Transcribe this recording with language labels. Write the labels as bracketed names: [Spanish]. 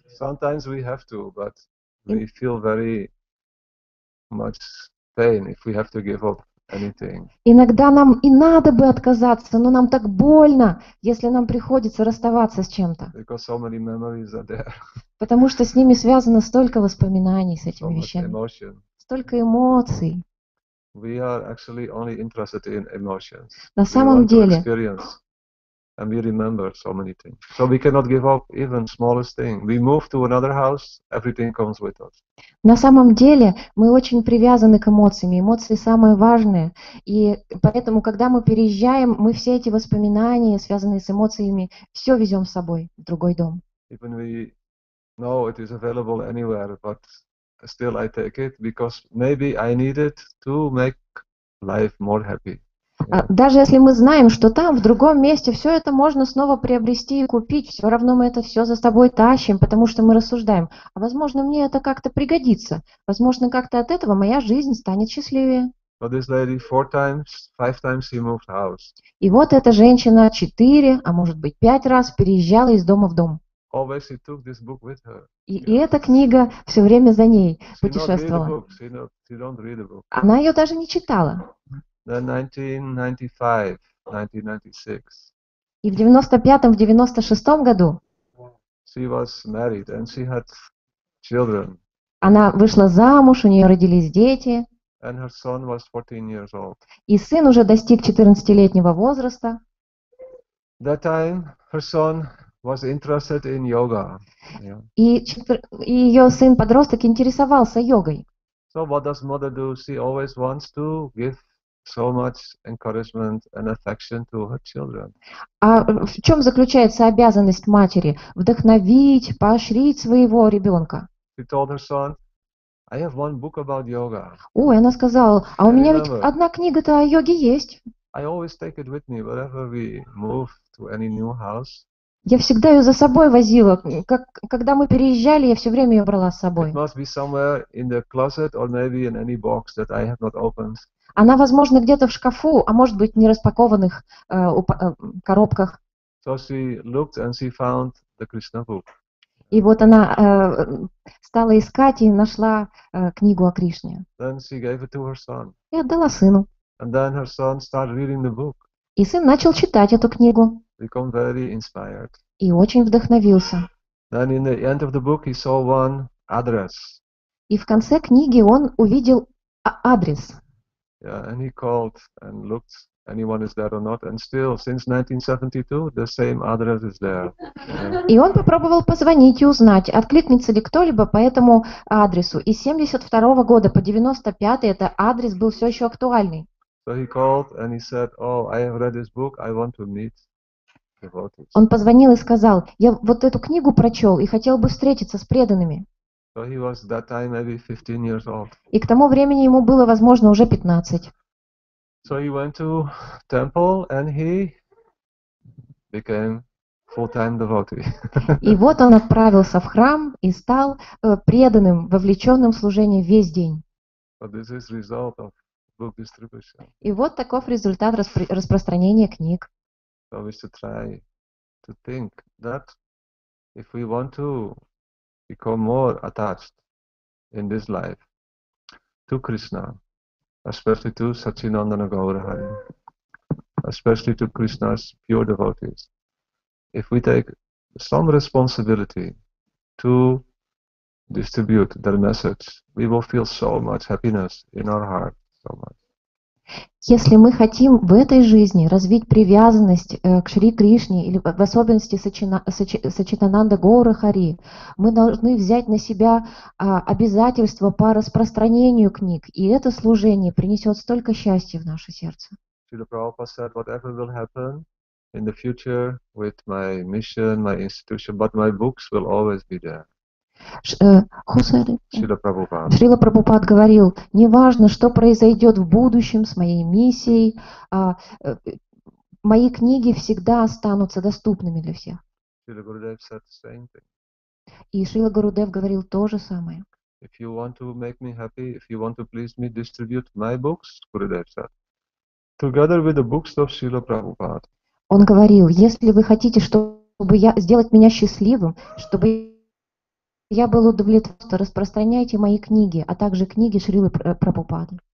[English] Sometimes we have to, but we feel very much pain if we have to give up anything. [Russian] Иногда нам и надо бы отказаться, но нам так больно, если нам приходится расставаться с чем-то. [English] Because so many memories are there. [Russian] Потому что с ними связано столько воспоминаний, с этими [English] so [Russian] вещами. [English] Emotion. [Russian] Столько эмоций. [English] We are actually only interested in emotions. [Russian] На самом деле. [English] Experience, and we remember so many things. So we cannot give up even smallest thing. We move to another house, everything comes with us. [Russian] На самом деле мы очень привязаны к эмоциям. Эмоции самые важные, и поэтому, когда мы переезжаем, мы все эти воспоминания, связанные с эмоциями, все везем с собой в другой дом. [English] Even we know it is available anywhere, but still I take it because maybe I need it to make life more happy. Yeah. [Russian] Даже если мы знаем, что там, в другом месте, все это можно снова приобрести и купить, все равно мы это все за собой тащим, потому что мы рассуждаем. А возможно, мне это как-то пригодится. Возможно, как-то от этого моя жизнь станет счастливее. [English] But this lady four times, five times she moved house. [Russian] И вот эта женщина 4, а может быть 5 раз переезжала из дома в дом. [English] Always she took this book with her. [Russian] И эта книга все время за ней путешествовала. Она ее даже не читала. [English] Then 1995, 1996. [Russian] И в 95-м, в 96-м году. [English] She was married and she had children. [Russian] Она вышла замуж, у нее родились дети. [English] And her son was 14 years old. [Russian] И сын уже достиг 14-летнего возраста. [English] That time her son was interested in yoga. [Russian] И ее сын подросток интересовался йогой. [English] So what does mother do? She always wants to give so much encouragement and affection to her children. [Russian] А в чем заключается обязанность матери? Вдохновить, поощрить своего ребенка. [English] She told her son, I have one book about yoga. [Russian] Ой, она сказала, а у меня ведь одна книга-то о йоге есть. [English] I always take it with me wherever we move to any new house. [Russian] Я всегда ее за собой возила. Когда мы переезжали, я все время ее брала с собой. [English] It must be somewhere in the closet or maybe in any box that I have not opened. [Russian] Она, возможно, где-то в шкафу, а может быть, в нераспакованных коробках. [English] So she looked and she found the Krishna book. [Russian] И вот она стала искать и нашла книгу о Кришне. [English] Then she gave it to her son. [Russian] И отдала сыну. [English] And then her son started reading the book. [Russian] И сын начал читать эту книгу. [English] Become very inspired. [Russian] И очень вдохновился. [English] Then in the end of the book he saw one address. [Russian] И в конце книги он увидел адрес. [English] Yeah, and he called and looked anyone is there or not, and still since 1972 the same address is there. Yeah. [Russian] И он попробовал позвонить и узнать, откликнется ли кто-либо по этому адресу. И с 72 года по 95 этот адрес был все еще актуальный. [English] So he called and he said, oh, I have read this book, I want to meet. [Russian] Он позвонил и сказал, я вот эту книгу прочел и хотел бы встретиться с преданными. [English] So he was that time maybe 15 years old. [Russian] И к тому времени ему было, возможно, уже 15. [English] So he went to temple and he became full-time devotee. [Russian] И вот он отправился в храм и стал преданным, вовлеченным в служение весь день. [English] But this is result of book distribution. [Russian] И вот таков результат распространения книг. [English] So we should try to think that if we want to become more attached in this life to Krishna, especially to Satchinandana Gaurahari, especially to Krishna's pure devotees, if we take some responsibility to distribute their message, we will feel so much happiness in our heart, so much. [Russian] Если мы хотим в этой жизни развить привязанность к Шри Кришне, или в особенности Сачитананда Гоура Хари, мы должны взять на себя обязательства по распространению книг, и это служение принесет столько счастья в наше сердце. [English] Шрила Прабхупада said, whatever will happen in the future with my mission, my institution, but my books will always be there. [Russian] Шрила Прабхупад говорил, неважно, что произойдет в будущем с моей миссией, мои книги всегда останутся доступными для всех. [English] Шрила Гурудев said the same thing. [Russian] И Шрила Гурудев говорил то же самое. [English] If you want to make me happy, if you want to please me, distribute my books, Гурудев said. Together with the books of Srila Prabhupada. [Russian] Он говорил, если вы хотите, чтобы я сделать меня счастливым, чтобы я был удовлетворен, распространяйте мои книги, а также книги Шрилы Прабхупады.